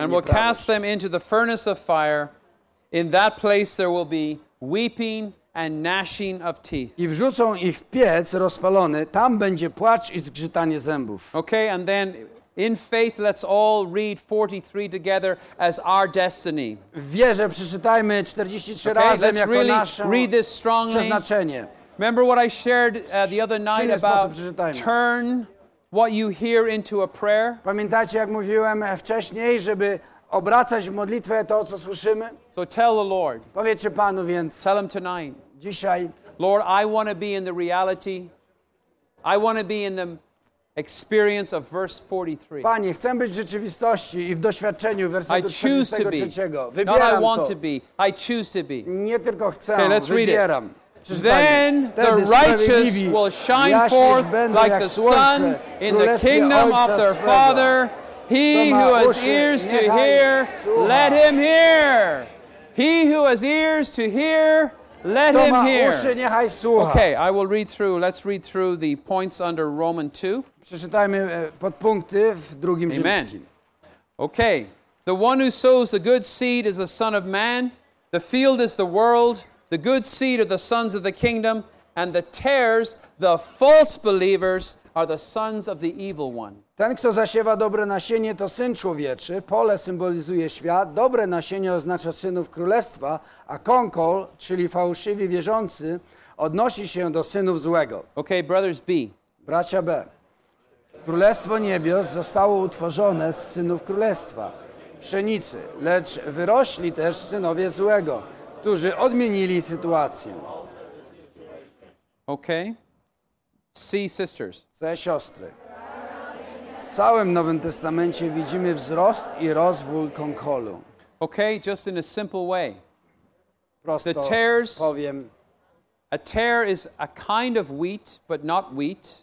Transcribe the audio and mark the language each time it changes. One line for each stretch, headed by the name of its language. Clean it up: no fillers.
English: And we'll cast them into the furnace of fire. In that place there will be weeping and gnashing of teeth.
Polish: I wrzucą ich w piec rozpalony, tam będzie płacz i zgrzytanie zębów.
English: Okay, and then in faith, let's all read 43 together as our destiny.
Polish: W wierze przeczytajmy 43 razem jako
English: really
Polish: nasze przeznaczenie.
English: Remember what I shared the other night about turn what you hear into a prayer?
Polish: Pamiętacie, jak mówiłem wcześniej, żeby obracać w modlitwę to, co słyszymy?
English: So tell the Lord.
Polish: Powiedzcie Panu więc.
English: Tell him tonight.
Polish: Dzisiaj.
English: Lord, I want to be in the reality. I want to be in the experience of verse 43.
Polish: Panie, chcę być w rzeczywistości i w doświadczeniu wersetu 43. Wybieram to.
English: Not I want to be. I choose to be.
Polish: Nie tylko chcę,
English: okay, let's read
Polish: wybieram.
English: It. Then the righteous will shine forth like the sun in the kingdom of their Father. He who has ears to hear, let him hear. He who has ears to hear, let him hear. Okay, I will read through. Let's read through the points under Roman 2.
Polish: Przeczytajmy podpunkty w drugim rzymskim.
English: Okay. The one who sows the good seed is the Son of Man. The field is the world. The good seed are the sons of the kingdom. And the tares, the false believers, are the sons of the evil one.
Polish: Ten, kto zasiewa dobre nasienie, to Syn Człowieczy. Pole symbolizuje świat. Dobre nasienie oznacza synów królestwa, a konkol, czyli fałszywi wierzący, odnosi się do synów złego.
English: Okay, brothers B.
Polish: Bracia B. Królestwo niebios zostało utworzone z synów królestwa, pszenicy, lecz wyrośli też synowie złego, którzy odmienili sytuację.
English: Okay. C, sisters.
Polish: C, siostry. W całym Nowym Testamencie widzimy wzrost i rozwój konkolu.
English: Okay, just in a simple way.
Polish: Prosto
English: the tares,
Polish: powiem.
English: A tare is a kind of wheat, but not wheat.